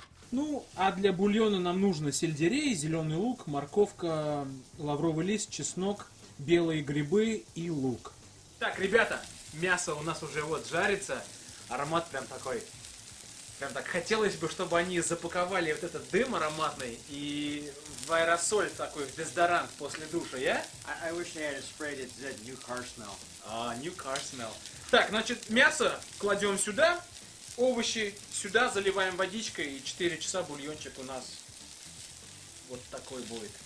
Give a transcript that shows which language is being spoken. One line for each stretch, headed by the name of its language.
Russian: Ну, а для бульона нам нужно сельдерей, зеленый лук, морковка, лавровый лист, чеснок, белые грибы и лук. Так, ребята, мясо у нас уже вот жарится, аромат прям такой, прям так хотелось бы, чтобы они запаковали вот этот дым ароматный и в аэрозоль такой, в дезодорант после душа, я?
English: I wish they had sprayed it that new car smell. New car smell.
Russian: Так, значит, мясо кладем сюда, овощи сюда, заливаем водичкой и 4 часа бульончик у нас вот такой будет.